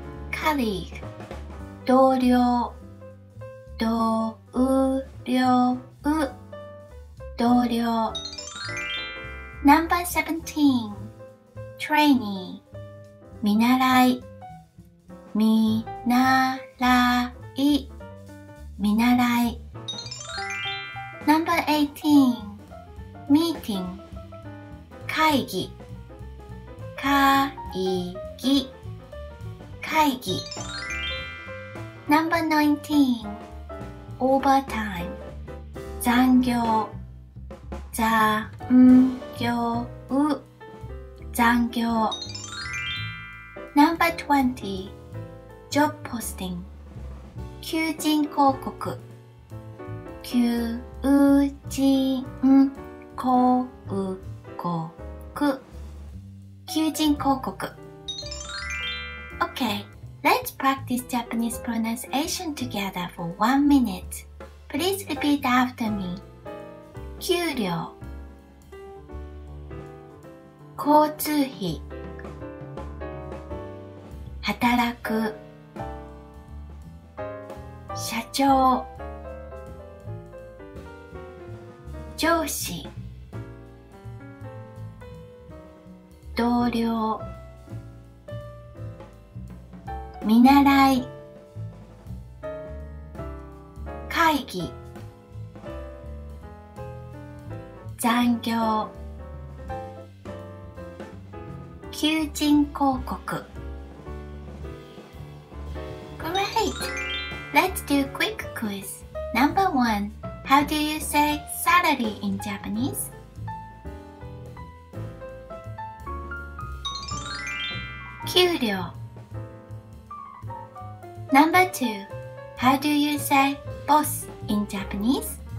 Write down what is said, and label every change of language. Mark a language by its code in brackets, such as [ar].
[ja] Colleague, 同僚、同僚、同僚。 [en] Number 17, trainee, [ja] 見習い、見習い、見習い。 [en] Number 18, [ja] meeting 会議会議会議 [en] Number 19 overtime [ja] 残業残業残業 [en] Number 20 job posting [ja] 求人広告求人広告求人広告 [en] Okay, let's practice Japanese pronunciation together for 1 minute. Please repeat after me. [ja] 給料交通費働く社長上司同僚見習い会議残業求人広告 [en] Great! Let's do quick quiz. Number 1. How do you say salary in Japanese? [ja] Kyūryō. [en] Number 2. How do you say boss in Japanese?